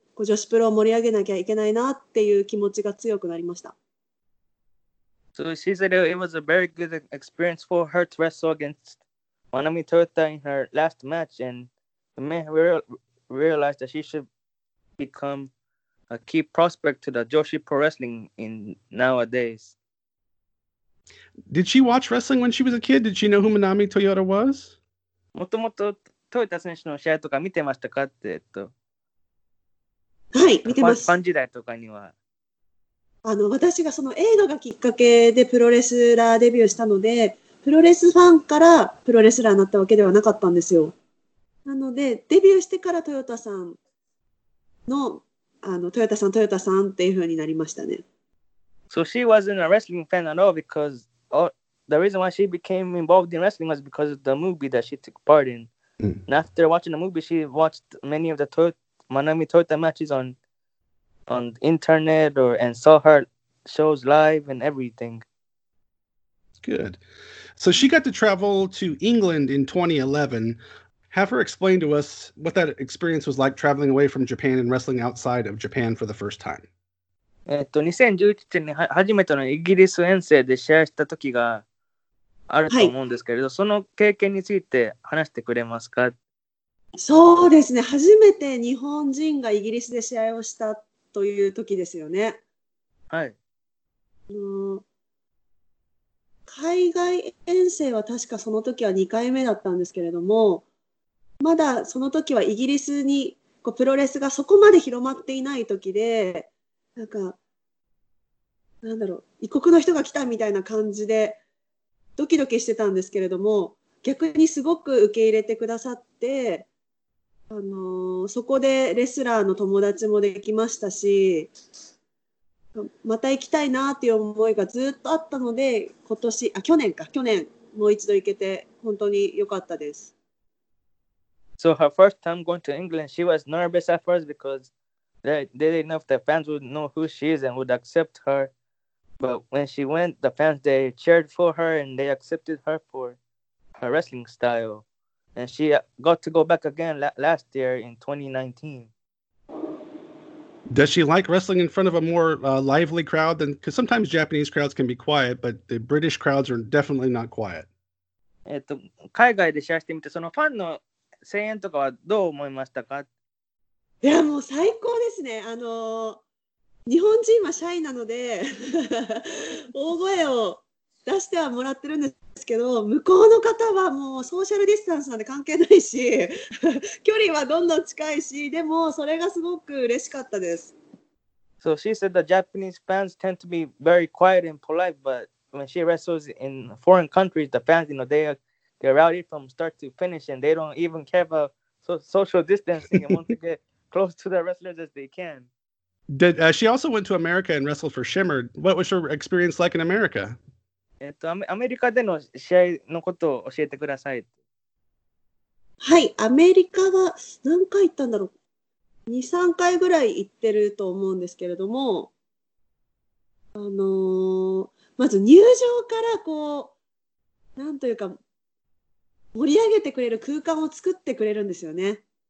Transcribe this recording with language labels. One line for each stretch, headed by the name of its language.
Japanese: 女子プロを盛り上げなきゃいけないなっていう気持ちが強くなりました。
English: So she said it was a very good experience for her to wrestle against Manami Toyota in her last match, and the man realized that she should become a key prospect to the Joshi Pro Wrestling in nowadays. Did she watch wrestling when she was a kid? Did she know who Manami Toyota was?
Japanese: もともとトヨタ選手の試合とか見てましたかって、はい、見てます。ファン時代とかには。私がその映画がきっかけでプロレスラーデビューしたので、プロレスファンからプロレスラーになったわけではなかったんですよ。なので、デビューしてからトヨタさんの、トヨタさん、トヨタさんっていう風になりましたね。
English: So she wasn't a wrestling fan at all because the reason why she became involved in wrestling was because of the movie that she took part in. And after watching the movie, she watched many of the Toyota. Manami Toyota matches on the internet and saw her shows live and everything. Good. So she got to travel to England in 2011. Have her explain to us what that experience was like traveling away from Japan and wrestling outside of Japan for the first time.
Japanese: 2011年に初めてのイギリス遠征で試合した時があると思うんですけれど、その経験について話してくれますか? そうですね。初めて日本人がイギリスで試合をしたという時ですよね。はい。海外遠征は確かその時は2回目だったんですけれども、まだその時はイギリスにこうプロレスがそこまで広まっていない時で、なんか、なんだろう、異国の人が来たみたいな感じでドキドキしてたんですけれども、逆にすごく受け入れてくださって、そこでレスラーの友達もできましたし、また行きたいなっていう思いがずっとあったので、去年もう一度行けて本当に良かったです。 So her first time going to England, she was nervous at first because they didn't know if the fans would know who she is and would accept her. But when she went, the fans they cheered for her and they accepted her for her wrestling style. And she got to go back again last year in 2019.
English: Does she like wrestling in front of a more lively crowd? Because sometimes Japanese crowds can be quiet, but the British crowds are definitely not quiet.
Japanese: 海外で試合してみて、そのファンの声援とかはどう思いましたか? いや、もう最高ですね。日本人はシャイなので大声を出してはもらってるんですけど、向こうの方はもうソーシャルディスタンスなんて関係ないし距離はどんどん近いし、でもそれがすごく嬉しかったです。
English: So she said that Japanese fans tend to be very quiet and polite, but when she wrestles in foreign countries, the fans, you know, they're rowdy from start to finish and they don't even care about social distancing and want to get close to the wrestlers as they can. Did, she also went to America and wrestled for Shimmer. What was her experience like in America?
Japanese: アメリカでの試合のことを教えてください。はい、アメリカは何回行ったんだろう。 2、3回ぐらい行ってると思うんですけれども、まず入場からこう、なんというか、盛り上げてくれる空間を作ってくれるんですよね。